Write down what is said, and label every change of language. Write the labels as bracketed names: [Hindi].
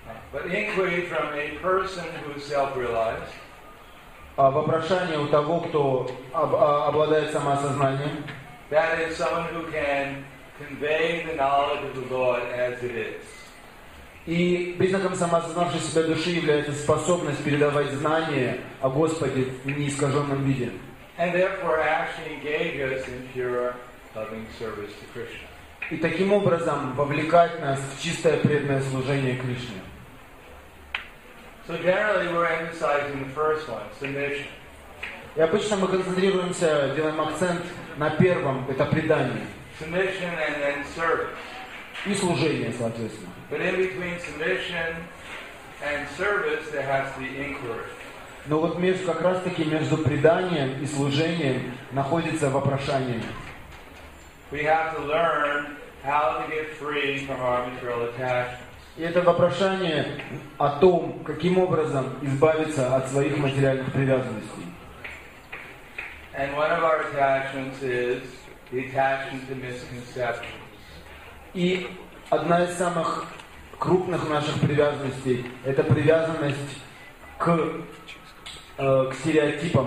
[English] But inquiry from a person who is self-realized. [Russian] Вопрошание у того, кто обладает самоосознанием. [English] That is someone who can convey the knowledge of the Lord as it is. [Russian] И признаком самоосознавшей себя души является способность передавать знания о Господе в неискаженном виде. [English] And therefore actually engage us in pure loving service to Krishna. [Russian] И таким образом вовлекать нас в чистое преданное служение Кришне. [English] So generally we're emphasizing the first one, submission. [Russian] И обычно мы концентрируемся, делаем акцент на первом, это предание. [English] Submission and then service. [Russian] И служение, соответственно. [English] But in between submission and service there has to be inquiry. [Russian] Но вот между, как раз таки между преданием и служением находится вопрошание. [English] We have to learn how to get free from our material attachments. [Russian] И это вопрошание о том, каким образом избавиться от своих материальных привязанностей. [English] And one of our attachments is the attachment to misconceptions. [Russian] И одна из самых крупных наших привязанностей – это привязанность к стереотипам.